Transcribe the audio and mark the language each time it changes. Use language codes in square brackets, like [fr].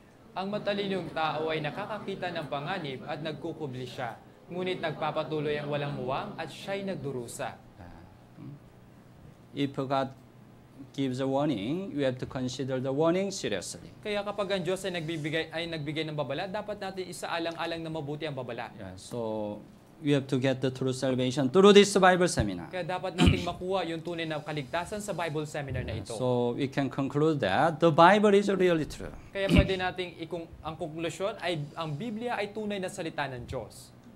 [tl] Ang matalinong tao ay nakakakita ng panganib at nagkukubli siya. Ngunit nagpapatuloy ang walang muwang at siya'y nagdurusa. [en] If God gives a warning, we have to consider the warning seriously. [tl] Kaya kapag ang Diyos ay nagbigay ng babala, dapat natin isaalang-alang na mabuti ang babala. [en] So we have to get the true salvation through this Bible seminar. [tl] Kaya dapat nating makuha yung tunay na kaligtasan sa Bible seminar na ito. [en] So we can conclude that the Bible is really true. [tl] Kaya pwede nating ang conclusion ay ang Biblia ay tunay na salita ng Diyos.